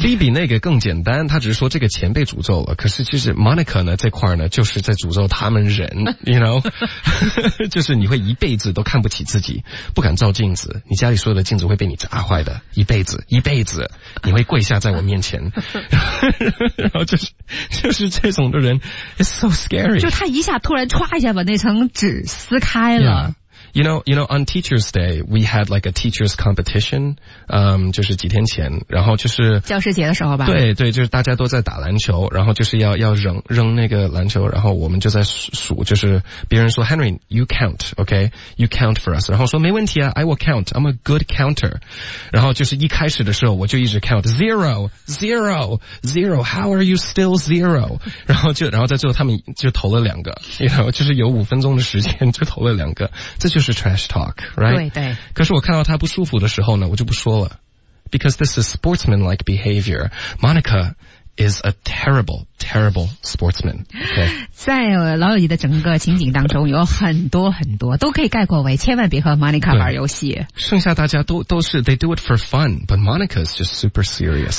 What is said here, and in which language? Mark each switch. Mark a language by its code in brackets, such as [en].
[zh] Phoebe 那个更简单，他只是说这个钱被诅咒了，可是其实 Monica 呢这块呢就是在诅咒他们人you know 就是你会一辈子都看不起自己，不敢照镜子，你家里所有的镜子会被你砸坏的，一辈子你会跪下在我面前然后就是这种的人 [en] it's so scary， [zh] 就他一下突然唰一下把那层纸撕开了、 [en] yeah. You know, on Teacher's Day, we had like a teacher's competition, [zh] 就是几天前，然后就是。教师节的时候吧。对对，就是大家都在打篮球，然后就是要扔那个篮球，然后我们就在数，就是别人说 , [en] Henry, you count, okay? You count for us. [zh] 然后说没问题啊 [en] ,I will count, I'm a good counter. [zh] 然后就是一开始的时候我就一直 [en] count, zero, zero, zero, how are you still zero? [zh] 然后在最后他们就投了两个 ,you know, 就是有五分钟的时间就投了两个。这就是 [en] trash talk, right? [zh] 对对。可是我看到他不舒服的时候呢，我就不说了。 [en] Because this is sportsman-like behavior. Monica is a terrible, terrible sportsman. Okay? [zh] 在老友记的整个情景当中，有很多很多都可以概括为千万别和 Monica 玩游戏。剩下大家都是 [en] they do it for fun, but Monica is just super serious.